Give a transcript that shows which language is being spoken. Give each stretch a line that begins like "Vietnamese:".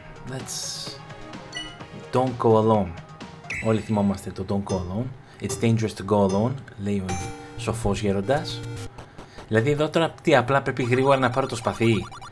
English: Let's... Don't go alone.
Greek: Όλοι θυμόμαστε το
English: don't go alone. It's dangerous to go alone,
Greek: λέει ο σοφός γέροντας. Δηλαδή εδώ τώρα τι, απλά πρέπει γρήγορα να πάρω το σπαθί.